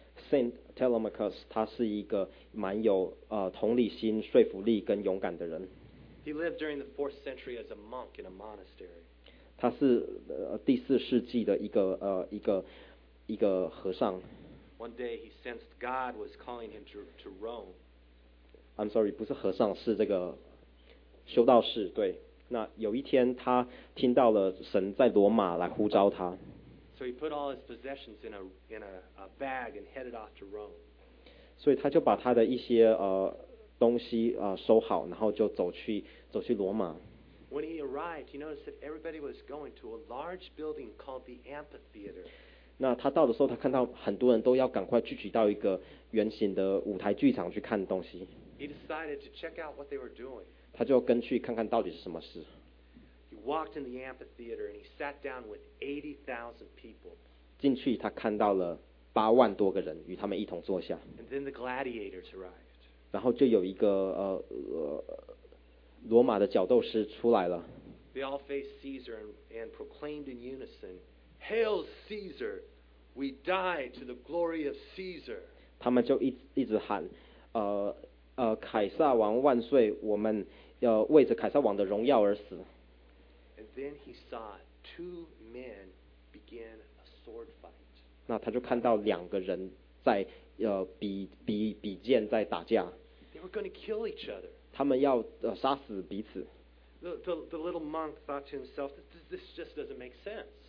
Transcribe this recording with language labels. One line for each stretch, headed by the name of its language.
Chinese: Saint Telemachus 他是一个蛮有同理心、说服力跟勇敢的人。
English: He lived during the 4th century as a monk in a monastery.
Chinese: 他是第四世纪的一个和尚。
English: One day he sensed God was calling him to Rome. I'm sorry,
Chinese: 不是和尚，是这个修道士。对，那有一天他听到了神在罗马来呼召他。
English: So he put all his possessions in a bag and headed off to Rome.
Chinese: 所以他就把他的一些东西收好，然后就走去罗马。
English: When he arrived, he noticed that everybody was going to a large building called the Amphitheater.
Chinese: 那他到的时候，他看到很多人都要赶快聚集到一个圆形的舞台剧场去看东西。
English: He decided to check out what they were doing.
Chinese: 他就跟去看看到底是什么事。
English: He walked in the amphitheater and he sat down with 80,000 people.
Chinese: 进去他看到了8万多个人与他们一同坐下。
English: And then the gladiators arrived.
Chinese: 然后就有一个罗马的角斗士出来了。
English: They all faced Caesar and proclaimed in unison. Hail Caesar! We die to the glory of Caesar.
Chinese: 他们就一直喊，凯撒王万岁！我们要为着凯撒王的荣耀而死。
English: And then he saw two men begin a sword fight.
Chinese: 那他就看到两个人在比剑在打架。
English: They were going to kill each other.
Chinese: 他们要杀死彼此。
English: The little monk thought to himself, this just doesn't make sense.